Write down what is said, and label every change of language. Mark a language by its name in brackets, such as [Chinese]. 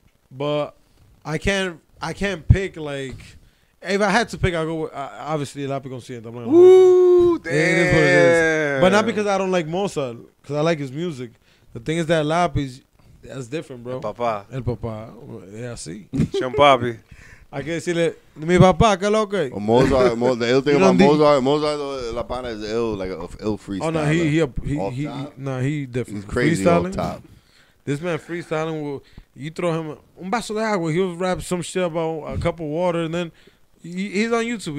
[English] But I can't pick, like, if I had to pick, I'd go with, obviously, Lápiz Consciente. Woo, damn. But not because I don't like Mozart, because I like his music. The thing is that Lápiz, that's different, bro. [Spanish] El papá. Yeah, sí. Sean Papi. Hay que decirle, mi papá, ¿qué lo que? [English] Mozart, the ill thing about Mozart, La Pana is ill, like an ill freestyle. Oh, no, he different. He's crazy freestyling. Off top. This man freestyling will, you throw him un vaso de agua, he'll rap some shit about a cup of water, and then he's on YouTube.